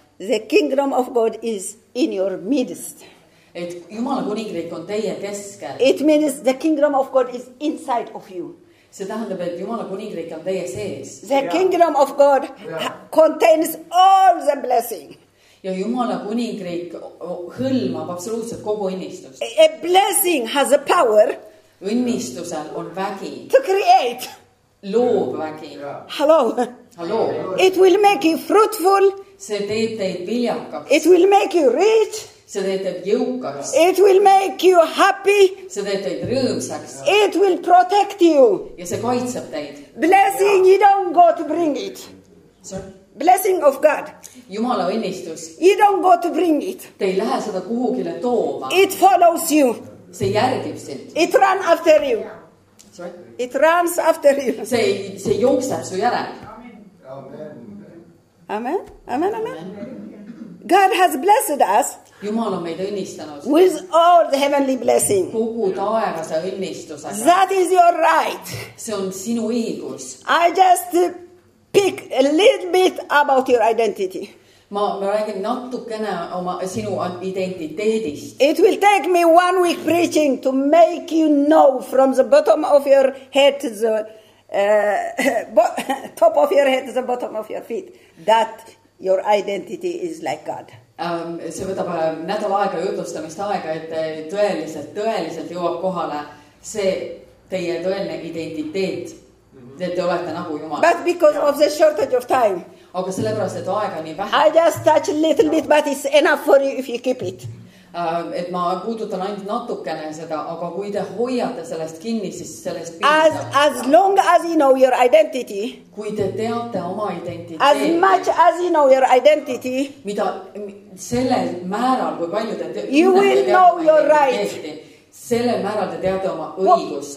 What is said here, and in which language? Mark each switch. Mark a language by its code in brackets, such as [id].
[en] The kingdom of God is in your midst. [et] Et Jumala kuningriik on teie keskel. [en] It means the kingdom of God is inside of you. [et] See tähendab, et Jumala kuningriik on teie sees. [en] The kingdom of God contains all the blessing. [et] Ja Jumala kuningriik hõlmab absoluutselt kogu õnnistust. [en] A blessing has a power. [et] Õnnistusel on vägi. [en] To create. [et] Loob vägi. [en] Hello. Hello. It will make you fruitful. [et] See teeb teid viljakaks. [en] It will make you rich. [et] See teed teid jõukaks. [en] It will make you happy. [et] See teed teid rõõmsaks. [en] It will protect you. [et] Ja see kaitseb teid. [en] Blessing you don't go to bring it. Sorry. Blessing of God. [et] Jumala õnnistus. [en] You don't go to bring it. [et] Te ei lähe seda kuhugile tooma. [en] It follows you. [et] See järgib sind. [en] It run after you. Sorry. It runs after you. [et] See jookseb su järel. [en] Amen. Amen. Amen. Amen. God has blessed us. [et] Jumal on meid õnnistanud. [en] With all the heavenly blessing. [et] Kogu taevase õnnistusega. [en] That is your right. [et] See on sinu õigus. [en] I just pick a little bit about your identity. [et] Ma räägin natukene oma sinu identiteedist. [en] It will take me 1 week preaching to make you know from the bottom of your head to the top of your head to the bottom of your feet that your identity is like God. [et] See võtab nädal aega jutlustamist aega, et tõeliselt jõuab kohale see teie tõeline identiteet, et te olete nagu Jumal. [en] But because of the shortage of time. [et] Aga sellepärast, et aega on nii vähe. [en] I just touch a little bit, but it's enough for you if you keep it. [et] et ma puudutan ainult natukene seda, aga kui te hoiate sellest kinni, siis sellest piisab. [en] As long as you know your identity. [et] Kui te teate oma identiteet. [en] As much as you know your identity. [et] Mida sellel määral, kui palju te teate. [en] You will know your right. [et] Sellel määral te teate oma õigust.